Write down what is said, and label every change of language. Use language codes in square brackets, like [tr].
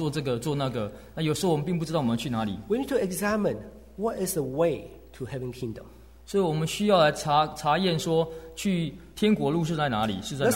[zh] 有时候在我们人生当中，我们就急急忙忙的做这个做那个，那有时候我们并不知道我们去哪里。 [en] We need to examine what is the way to heaven kingdom. [zh] 所以我们需要来查验说去天国路是在哪里，是在哪里。